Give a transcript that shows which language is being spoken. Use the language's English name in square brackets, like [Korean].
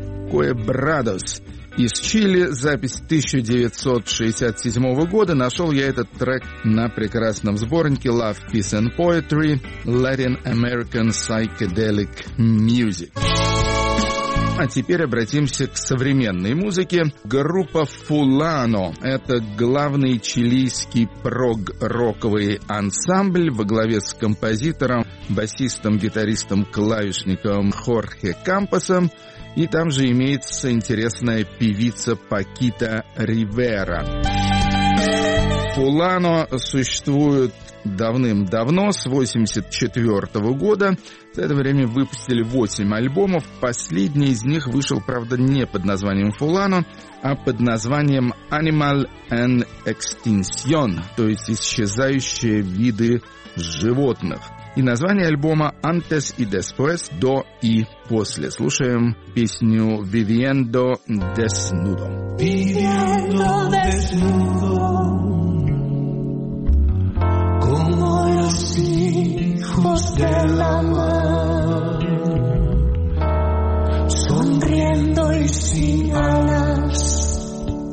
[Russian] Quebrados из Чили, запись 1967 года. Нашел я этот трек на прекрасном сборнике Love, Peace and Poetry, Latin American Psychedelic Music. А теперь обратимся к современной музыке. Группа Fulano – это главный чилийский прог-роковый ансамбль во главе с композитором, басистом, гитаристом, клавишником Хорхе Кампосом. И там же имеется интересная певица Пакита Ривера. Fulano существует давным-давно, с 1984 года. За это время выпустили 8 альбомов. Последний из них вышел, правда, не под названием Fulano, а под названием Animal and Extinction, то есть «Исчезающие виды животных». И название альбома «Antes y Después», «До и после». Слушаем песню «Viviendo Desnudo». [Spanish] Viviendo Desnudo, como yo siento. del amor, sonriendo y sin alas.